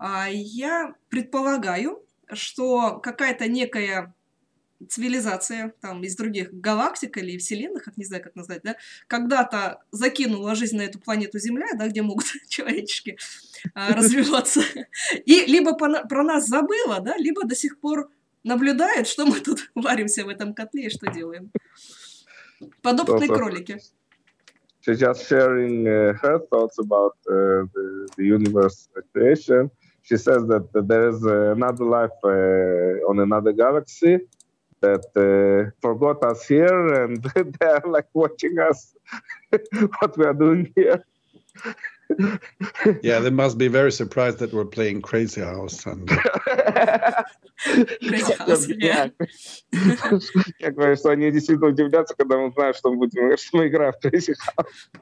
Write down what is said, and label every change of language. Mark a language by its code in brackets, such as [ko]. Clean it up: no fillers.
[ru] Я предполагаю, что какая-то некая цивилизация там из других галактик или вселенных, как не знаю, как назвать, да, когда-то закинула жизнь на эту планету Земля, да, где могут человечки развиваться, и либо про нас забыла, да, либо до сих пор наблюдает, что мы тут варимся в этом котле и что делаем. Подопытные кролики. [en] She's just sharing her thoughts about the universe creation. She says that there is another life on another galaxy that forgot us here, and they are like watching us, what we are doing here. Yeah, they must be very surprised that we're playing Crazy House. And... [ru] Я говорю, что они действительно удивляются, когда мы знаем, что мы будем играть в Crazy House.